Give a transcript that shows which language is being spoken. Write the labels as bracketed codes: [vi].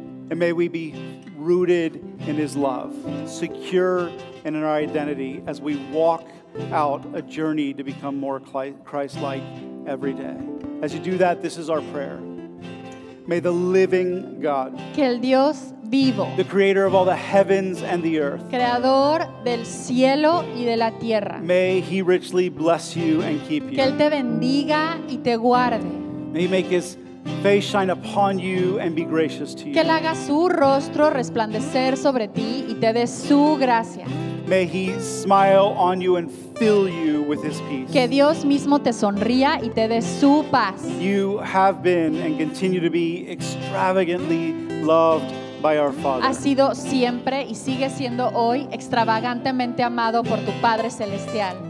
[en] And may we be rooted in His love, secure and in our identity as we walk out a journey to become more Christ-like every day. As you do that, this is our prayer. May the living God, [es] que el Dios vivo, [en] the creator of all the heavens and the earth, [es] creador del cielo y de la tierra, [en] may He richly bless you and keep you. [es] Que él te bendiga y te guarde. [en] May He make His face shine upon you and be gracious to you. [es] Que él haga su rostro resplandecer sobre ti y te dé su gracia. [en] May He smile on you and fill you with His peace. [es] Que Dios mismo te sonría y te dé su paz. [en] You have been and continue to be extravagantly loved by our Father. [es] Ha sido siempre y sigue siendo hoy extravagantemente amado por tu Padre Celestial.